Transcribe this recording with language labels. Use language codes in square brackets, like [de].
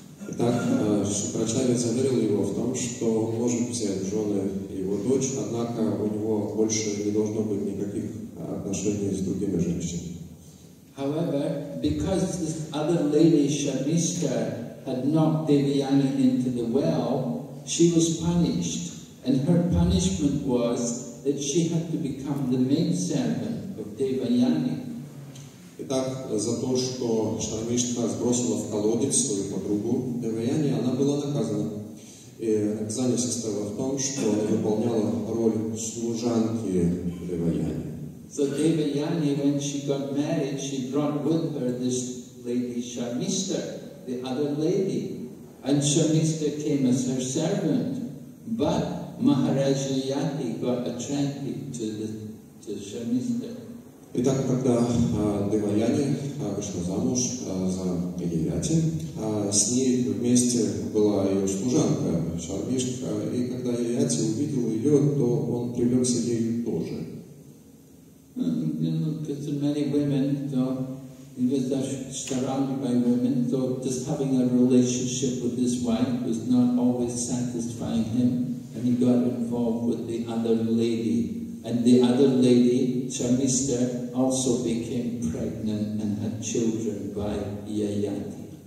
[ru] Итак, Шукрачарья заверил его в том, что он может взять жены его дочь, однако у него больше не должно быть никаких отношений с другими женщинами. [en] However, because this other lady, Sharmishtha, had knocked Devayani into the well, she was punished. And her punishment was that she had to become the maidservant of Devayani. [ru] Итак, за то, что Шармиштха сбросила в колодец свою подругу Девайяни, она была наказана. И наказание состояло в том, что она выполняла роль служанки Девайяни. [en] So Devayani, when she got married, she brought with her this lady Sharmishtha, the other lady. And Sharmishtha came as her servant. But Maharaj Yati got attracted to Sharmishtha. [ru] Итак, когда Девайяни вышла замуж за Яяти, с ней вместе была ее служанка Шармишка, и когда Яяти увидел ее, то он привлекся ей тоже. [en] Because many women, he was surrounded by women, so just having a relationship with his wife was not always satisfying him, and he got involved with the other lady. And the other lady, Sharmishtha, also became pregnant and had children by Yayati.